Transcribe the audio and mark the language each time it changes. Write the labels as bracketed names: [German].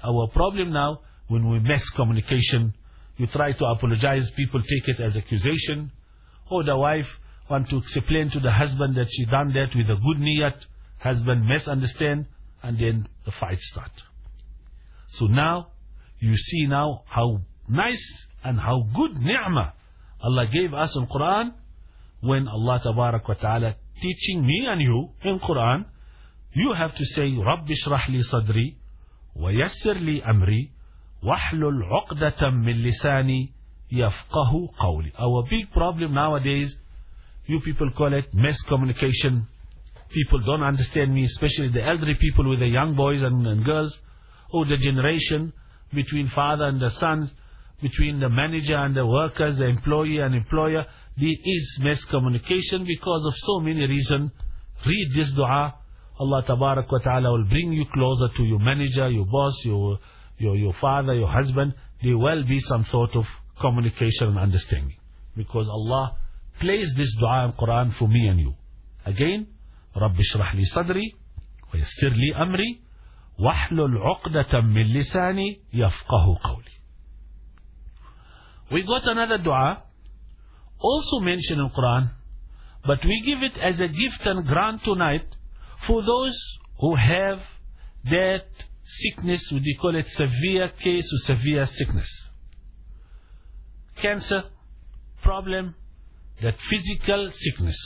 [English] Our problem now, when we mess communication, you try to apologize, people take it as accusation, or the wife want to explain to the husband that she done that with a good niyat, husband misunderstand, and then the fight start. So now, you see now how nice and how good ni'mah Allah gave us in Quran, when Allah tabarak wa ta'ala teaching me and you in Quran, you have to say, [Arabic] رَبِّ شْرَحْ لِي صَدْرِي ويسر لي أمري واحلل عقدة من لساني يفقه قولي. [English] Our big problem nowadays, you people call it miscommunication. People don't understand me, especially the elderly people with the young boys and girls, or the generation between father and the sons, between the manager and the workers, the employee and employer. There is miscommunication because of so many reasons. Read this dua. Allah tabarak wa ta'ala will bring you closer to your manager, your boss, your father, your husband. There will be some sort of communication and understanding, because Allah placed this dua in Quran for me and you. [Arabic] Again, رَبِّ شْرَحْ لِي صَدْرِي وَيَسِّرْ لِي أَمْرِي وَحْلُلْ عُقْدَةً مِّن لِسَانِي يَفْقَهُ قَوْلِي. [English] We got another dua also mentioned in Quran, but we give it as a gift and grant tonight for those who have that sickness, would you call it severe case or severe sickness, cancer problem, that physical sickness.